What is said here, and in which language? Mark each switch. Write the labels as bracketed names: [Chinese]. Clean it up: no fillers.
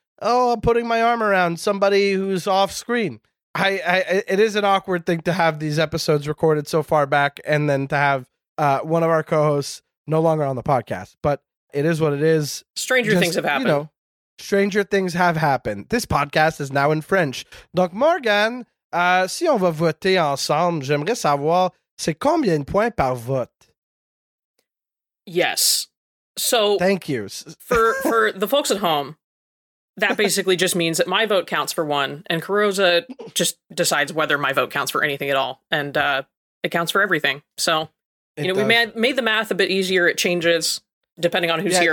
[English] Oh, I'm putting my arm around somebody who's off screen. It is an awkward thing to have these episodes recorded so far back and then to have one of our co-hosts no longer on the podcast. But it is what it is. Stranger things have happened. Stranger things have happened. This podcast is now in French. [French] Donc, Morgan, si on va voter ensemble, j'aimerais savoir, c'est combien de points par vote? [English] Yes. So, thank you. For the folks at home, that basically just means that my vote counts for one, and Carosa just decides whether my vote counts for anything at all, and it counts for everything. So, we made the math a bit easier. It changes depending on who's here.